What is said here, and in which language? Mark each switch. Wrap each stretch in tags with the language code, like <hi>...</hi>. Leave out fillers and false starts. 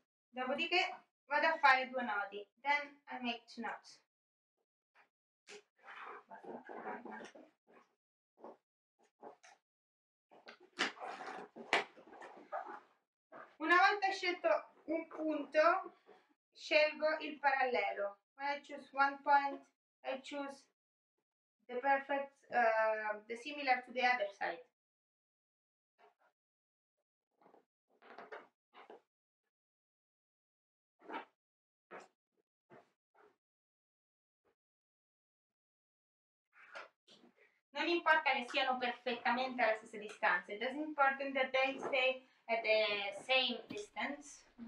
<it>Dopodiché vado a fare due nodi.</it> <en>Then I make two knots.</en> <it>Basta. Una volta scelto un punto, scelgo il parallelo.</it> <en>When I choose one point, I choose the perfect, the similar to the other side.</en> <it>Non importa che siano perfettamente alla stessa distanza.</it> <en>It doesn't matter that they stay at the same distance.</en>